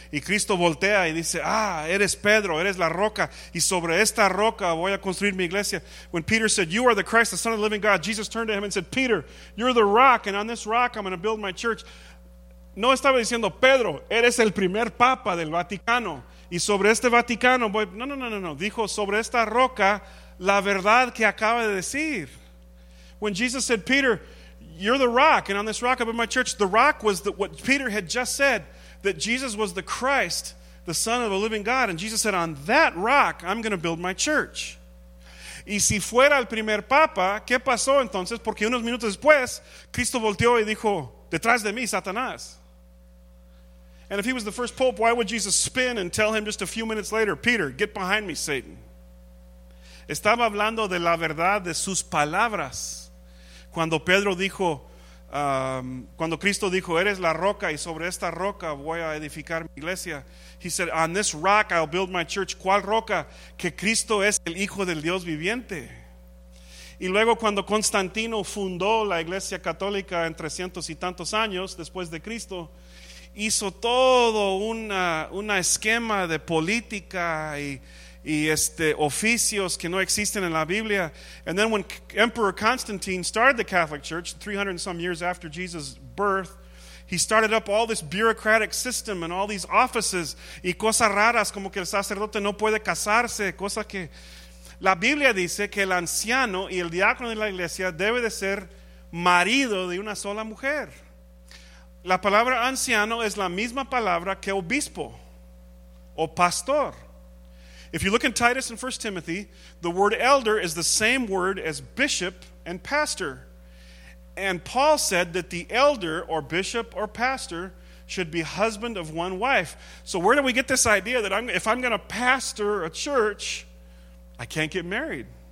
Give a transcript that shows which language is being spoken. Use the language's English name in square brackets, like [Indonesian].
[Spanish] Y Cristo voltea y dice, ah, eres Pedro, eres la roca, y sobre esta roca voy a construir mi iglesia. [English] When Peter said, you are the Christ, the Son of the living God, Jesus turned to him and said, Peter, you're the rock, and on this rock I'm going to build my church. [Spanish] No estaba diciendo, Pedro, eres el primer papa del Vaticano, y sobre este Vaticano voy, no. Dijo, sobre esta roca, la verdad que acaba de decir. [English] When Jesus said, Peter, you're the rock, and on this rock I build my church, the rock was what Peter had just said, that Jesus was the Christ, the Son of the living God. And Jesus said, on that rock, I'm going to build my church. [Spanish] Y si fuera el primer papa, ¿qué pasó entonces? Porque unos minutos después, Cristo volteó y dijo, detrás de mí, Satanás. [English] And if he was the first pope, why would Jesus spin and tell him just a few minutes later, Peter, get behind me, Satan? [Spanish] Estaba hablando de la verdad de sus palabras. Cuando Pedro dijo, cuando Cristo dijo, eres la roca y sobre esta roca voy a edificar mi iglesia. [English] He said, on this rock I'll build my church. [Spanish] ¿Cuál roca? Que Cristo es el Hijo del Dios viviente. Y luego cuando Constantino fundó la iglesia católica en 300 y tantos años después de Cristo, hizo todo una esquema de política y oficios que no existen en la Biblia. [English] And then when Emperor Constantine started the Catholic Church 300 and some years after Jesus' birth, he started up all this bureaucratic system and all these offices [Spanish] y cosas raras como que el sacerdote no puede casarse, cosas que la Biblia dice que el anciano y el diácono de la iglesia debe de ser marido de una sola mujer. La palabra anciano es la misma palabra que obispo o pastor. [English] If you look in Titus and 1 Timothy, the word elder is the same word as bishop and pastor. And Paul said that the elder or bishop or pastor should be husband of one wife. So where do we get this idea that if I'm going to pastor a church, I can't get married?